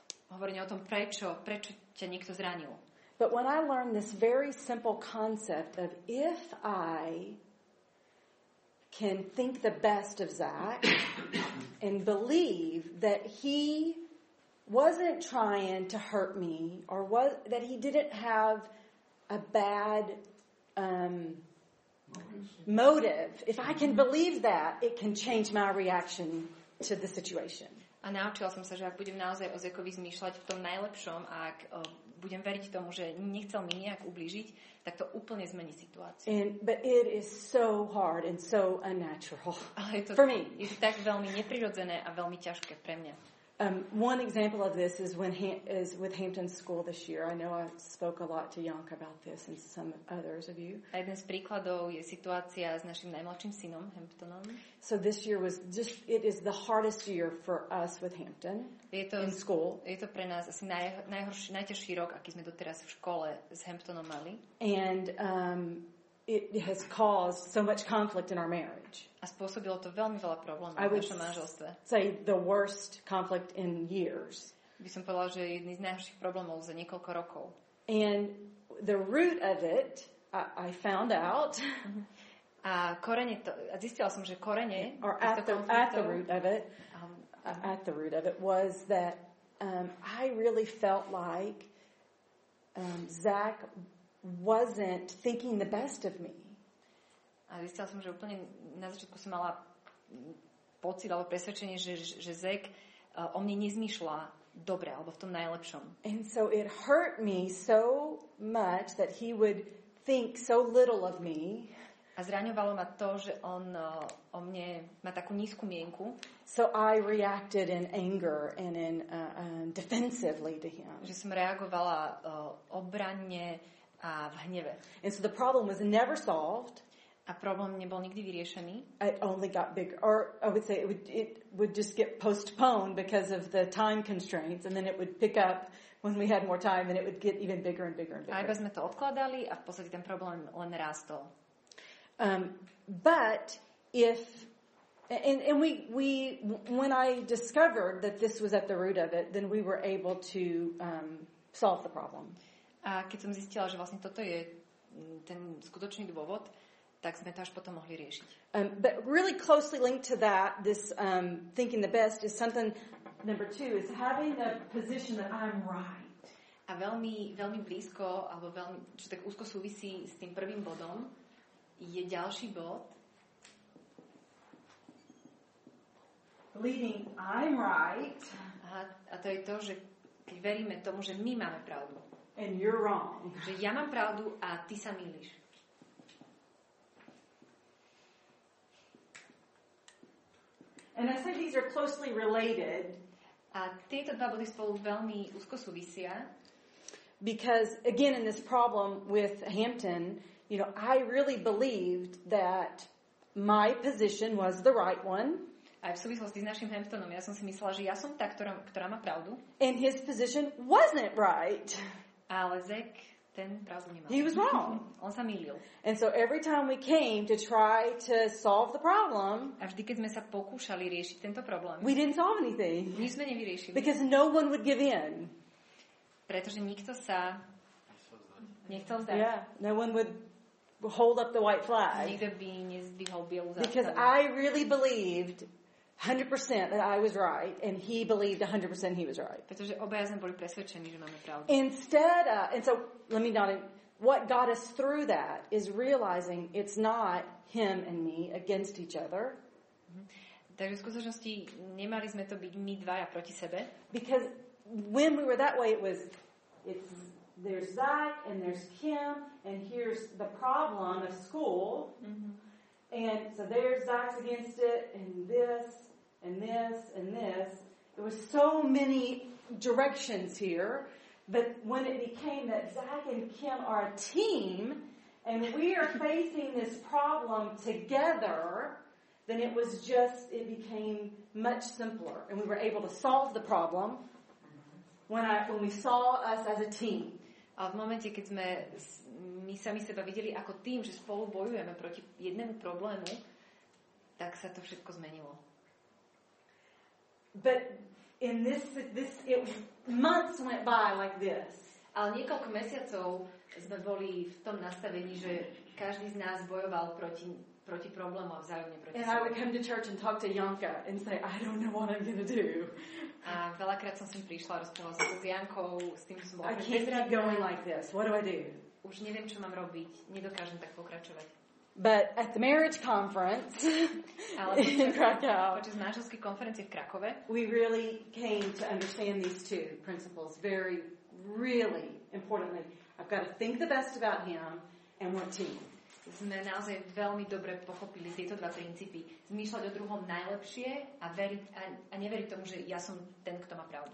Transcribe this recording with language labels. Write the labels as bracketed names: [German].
[Slovak] hovorenie o tom, prečo ťa niekto zranil. [English] But when I learned this very simple concept of if I can think the best of Zach and believe that he wasn't trying to hurt me or was that he didn't have a bad motive, if I can believe that, it can change my reaction to the situation. [Slovak] A naučila som sa, že ak budem naozaj o Zekovi zmýšľať v tom najlepšom, ak budem veriť tomu, že nechcel mi nejak ublížiť, tak to úplne zmení situáciu. [English] But it is so hard and so unnatural. [Slovak] Ale je to [English] for me. [Slovak] Je to tak veľmi neprirodzené a veľmi ťažké pre mňa. [English] One example of this is when is with Hampton School this year. I know I spoke a lot to Janka about this and some others of you. [Slovak] A jeden z príkladov je situácia s našim najmladším synom Hamptonom. [English] So this year was just it is the hardest year for us with Hampton. [Slovak] Je to, [English] in school. [Slovak] Je to pre nás asi najťažší rok, aký sme doteraz v škole s Hamptonom mali. [English] And it has caused so much conflict in our marriage. [Slovak] A spôsobilo to veľmi veľa problémov v našom manželstve. [English] Say the worst conflict in years. [Slovak] By som povedala, že jedný z najhorších problémov za niekoľko rokov. [English] And the root of it, I found out. [Slovak] A korene to, a zistila som, že korene [English] or at the conflictu, at the root of it, at the root of it was that I really felt like Zach wasn't thinking the best of me. [Slovak] A zistila som, že úplne na začiatku som mala pocit alebo presvedčenie, že Zek o mne nezmýšľa dobre alebo v tom najlepšom. [English] And so it hurt me so much that he would think so little of me. [Slovak] A zraňovalo ma to, že on o mne má takú nízku mienku. [English] So I reacted in anger and in defensively to him. [Slovak] Že som reagovala obranne a v hneve. [English] And so the problem was never solved. [Slovak] A problém nebol nikdy vyriešený. [English] It only got bigger. Or I would say it would just get postponed because of the time constraints, and then it would pick up when we had more time, and it would get even bigger and bigger and bigger. [Slovak] A iba sme to odkladali a v podstate ten problém len rástol. [English] But if and we when I discovered that this was at the root of it, then we were able to solve the problem. [Slovak] A keď som zistila, že vlastne toto je ten skutočný dôvod, tak sme to až potom mohli riešiť. [English] But really closely linked to that, this thinking the best is something number two, is having the position that I'm right. [Slovak] A veľmi, veľmi blízko, alebo veľmi, čo tak úzko súvisí s tým prvým bodom, je ďalší bod. [English] Believing I'm right. [Slovak] A to je to, že keď veríme tomu, že my máme pravdu. [English] And you're wrong. [Slovak] Že ja mám pravdu a ty sa mýliš. [English] And I said these are closely related. [Slovak] A tieto dva body spolu veľmi úzko súvisia. [English] Because again in this problem with Hampton, you know, I really believed that my position was the right one. [Slovak] A v súvislosti s našim Hamptonom, ja som si myslela, že ja som tá, ktorá má pravdu. [English] And his position wasn't right. [Slovak] Ale Zek ten pravdu nemal. [English] He was wrong. [Slovak] On sa mýlil. [English] And so every time we came to try to solve the problem, [Slovak] a vždy, keď sme sa pokúšali riešiť tento problém, [English] we didn't solve anything. [Slovak] Nič sme nevyriešili. [English] Because no one would give in. [Slovak] Pretože nikto sa nechcel vzdať. [English] Yeah, no one would hold up the white flag. [Slovak] Nikto by nezdvihol bielu zástavu. [English] Because I really believed 100% that I was right and he believed 100% he was right. [Slovak] Pretože obaja sme boli presvedčení, že máme pravdu. [English] Instead of, and so let me not, what got us through that is realizing it's not him and me against each other. [Slovak] Takže v skutočnosti nemali sme to byť my dvaja proti sebe. [English] Because when we were that way it's there's Zach and there's Kim and here's the problem of school. And so there's Zach's against it, and this, and this, and this. There were so many directions here, but when it became that Zach and Kim are a team, and we are facing this problem together, then it was just, it became much simpler. And we were able to solve the problem when we saw us as a team. [Slovak] A v momente, keď sme my sami seba videli ako tým, že spolu bojujeme proti jednému problému, tak sa to všetko zmenilo. [English] But in this it months went by like this. [Slovak] Ale niekoľko mesiacov sme boli v tom nastavení, že každý z nás bojoval proti problému a vzájomne proti sebe. [English] And I would come to church and talk to Janka and say, I don't know what I'm gonna do. [Slovak] A veľakrát som si prišla a rozprávala sa s Jankou, s tým, som bola. [English] I can't keep going like this. What do I do? [Slovak] Už neviem, čo mám robiť. Nedokážem tak pokračovať. [English] But at the marriage conference in Krakow, [Slovak] počas manželskej konferencie v Krakove, [English] we really came to understand these two principles very, really importantly. I've got to think the best about him and we're team. [Slovak] Sme naozaj veľmi dobre pochopili tieto dva princípy. Zmýšľať o druhom najlepšie a veriť a neveriť tomu, že ja som ten, kto má pravdu.